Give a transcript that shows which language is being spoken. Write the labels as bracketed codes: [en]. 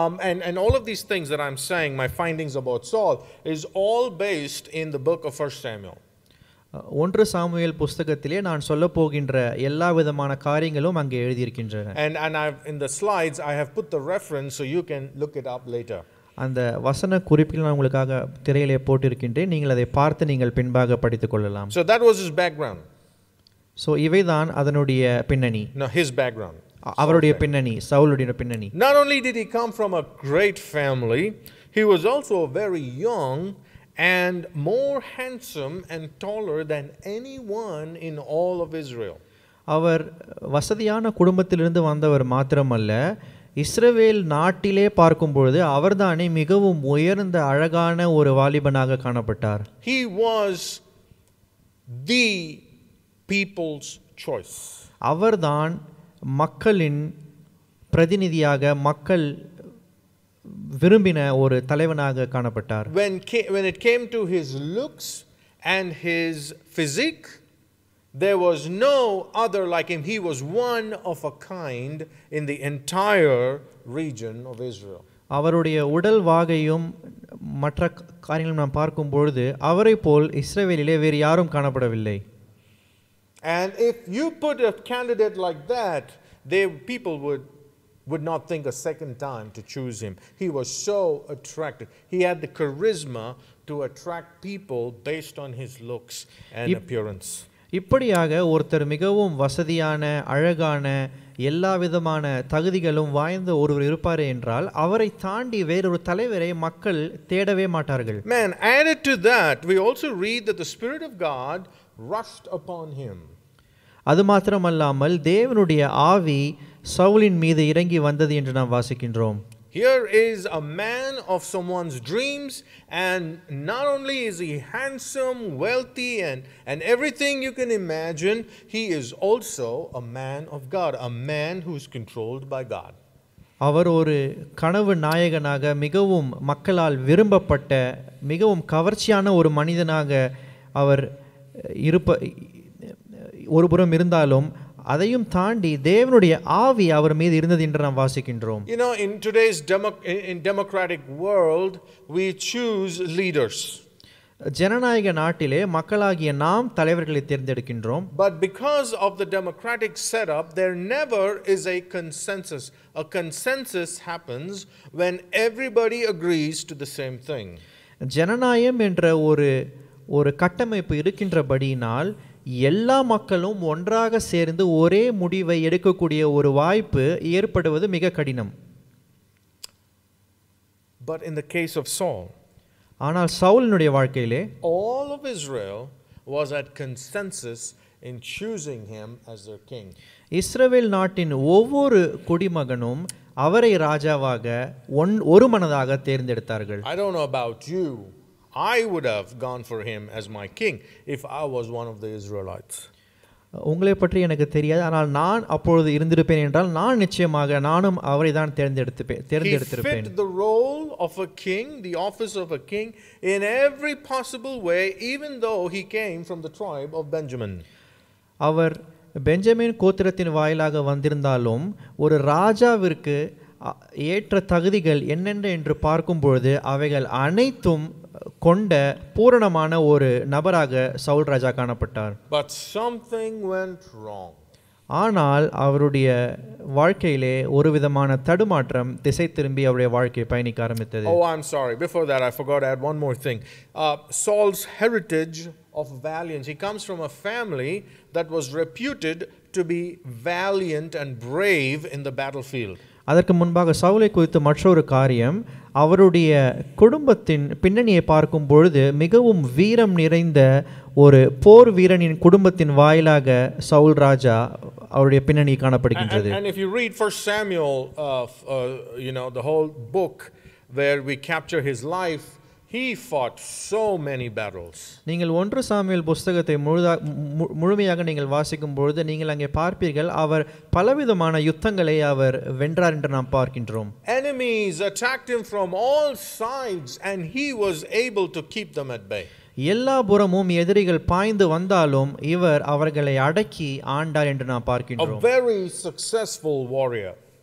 [en] And all of these things that I'm saying, my findings about Saul, is all based in the book of 1 Samuel. [ta] ஒன்று Samuel புஸ்தகத்திலே நான் சொல்ல போகின்ற எல்லா விதமான காரியங்களும் அங்கே எழுதியிருக்கின்றன. [en] And I've, in the slides, I have put the reference so you can look it up later. [ta] அந்த வசன குறிப்பில் நான் உங்களுக்காக திரையிலே போட்டிருக்கின்றேன், நீங்கள் அதை பார்த்து நீங்கள் பின்பாக படித்துக் கொள்ளலாம். [en] So that was his background. [ta] So இவைதான் அதனுடைய பின்னணி. [en] No, his background. [ta] அவருடைய பின்னணி, சவுலுடைய பின்னணி. [en] Not only did he come from a great family, he was also very young and more handsome and taller than anyone in all of Israel. [ta] அவர் வசதியான குடும்பத்திலிருந்து வந்தவர் மாத்திரமல்ல, இஸ்ரவேல் நாட்டிலே பார்க்கும்பொழுது அவர்தானே மிகவும் உயர்ந்த அழகான ஒரு வாலிபனாக காணப்பட்டார். [en] He was the people's choice. [ta] அவர்தான் மக்களின் பிரதிநிதியாக, மக்கள் விரும்பின ஒரு தலைவனாக காணப்பட்டார். [en] When it came to his looks and his physique, there was no other like him. He was one of a kind in the entire region of Israel. [ta] அவருடைய உடல் வாகையும் மற்ற காரியங்களும் நாம் பார்க்கும் பொழுது அவரை போல் இஸ்ரவேலிலே வேறு யாரும் காணப்படவில்லை. [en] And if you put a candidate like that, they people would not think a second time to choose him. He was so attractive. He had the charisma to attract people based on his looks and appearance. [ta] இப்படியாக ஒருத்தர் மிகவும் வசதியான, அழகான, எல்லா விதமான தகுதிகளும் வாய்ந்த ஒருவர் இருப்பாரே என்றால் அவரை தாண்டி வேறொரு தலைவரை மக்கள் தேடவே மாட்டார்கள். [en] Man, added to that, we also read that the Spirit of God rushed upon him. [ta] அது மாத்திரமல்லாமல் தேவனுடைய ஆவி சவுலின் மீது இறங்கி வந்தது என்று நாம் வாசிக்கின்றோம். [en] Here is a man of someone's dreams, and not only is he handsome, wealthy, and everything you can imagine, he is also a man of God, a man who is controlled by God. [ta] அவர் ஒரு கனவு நாயகனாக மிகவும் மக்களால் விரும்பப்பட்ட மிகவும் கவர்ச்சியான ஒரு மனிதனாக அவர் இருப்ப ஒரு புறம் இருந்தாலும் அதையும் தாண்டி தேவனுடைய ஆவி அவர் மீது இருந்தது என்று நாம் வாசிக்கின்றோம். [en] You know, in today's democratic world, we choose leaders. [ta] ஜனநாயக நாட்டிலே மக்களாகிய நாம் தலைவர்களை தேர்ந்தெடுக்கின்றோம். [en] But because of the democratic setup, there never is a consensus. A consensus happens when everybody agrees to the same thing. [ta] ஜனநாயகம் என்ற ஒரு கட்டமைப்பு இருக்கின்றபடியினால் எல்லா மக்களும் ஒன்றாக சேர்ந்து ஒரே முடிவை எடுக்கக்கூடிய ஒரு வாய்ப்பு ஏற்படுவது மிக கடினம். [en] But in the case of Saul, [ta] ஆனால் சவுலினுடைய வாழ்க்கையிலே [en] all of Israel was at consensus in choosing him as their king. [ta] இஸ்ரவேல் நாட்டின் ஒவ்வொரு குடிமகனும் அவரை ராஜாவாக ஒரு மனதாக தேர்ந்தெடுத்தார்கள். [en] I don't know about you, I would have gone for him as my king if I was one of the Israelites. [ta] உங்களை பற்றி எனக்கு தெரியாது, ஆனால் நான் அப்பொழுது இருந்திருப்பேன் என்றால் நான் நிச்சயமாக நானும் அவரை தான் தேர்ந்தெடுத்திருப்பேன். [en] He fit the role of a king, the office of a king, in every possible way, even though he came from the tribe of Benjamin. [ta] Our Benjamin கோத்திரத்தின் வாயிலாக வந்திருந்தாலும் ஒரு ராஜாவிற்கு ஏற்ற தகுதிகள் என்னென்ன என்று பார்க்கும் பொழுது அவைகள் அனைத்தும் கொண்ட பூரணமான ஒரு நபராக சவுல் ராஜா காணப்பட்டார். [en] But something went wrong. [ta] ஆனால் அவருடைய வாழ்க்கையிலே ஒரு விதமான தடுமாற்றம் திசை திரும்பி அவருடைய வாழ்க்கையை பயணிக்க ஆரம்பித்தது. [en] Oh, I'm sorry. Before that, I forgot to add one more thing. Saul's heritage of valiance. He comes from a family that was reputed to be valiant and brave in the battlefield. [ta] அதற்கு முன்பாக சவுலை குறித்து மற்றொரு காரியம், அவருடைய குடும்பத்தின் பின்னணியை பார்க்கும் பொழுது மிகவும் வீரம் நிறைந்த ஒரு போர் வீரனின் குடும்பத்தின் வாயிலாக சவுல் ராஜா அவருடைய பின்னணி காணப்படுகின்றது. [en] And if you read 1 Samuel, you know, the whole book where we capture his life, he fought so many battles. [ta] நீங்கள் 1 சாமுவேல் புத்தகத்தை முழுமையாக நீங்கள் வாசிக்கும் பொழுது நீங்கள் அங்கே பார்ப்பீர்கள் அவர் பலவிதமான யுத்தங்களை அவர் வென்றார் என்று நாம் பார்க்கின்றோம். [en] Enemies attacked him from all sides and he was able to keep them at bay. [ta] எல்லா புறமும் எதிரிகள் பாய்ந்து வந்தாலும் இவர் அவர்களை அடக்கி ஆண்டார் என்று நாம் பார்க்கின்றோம். [en] A very successful warrior.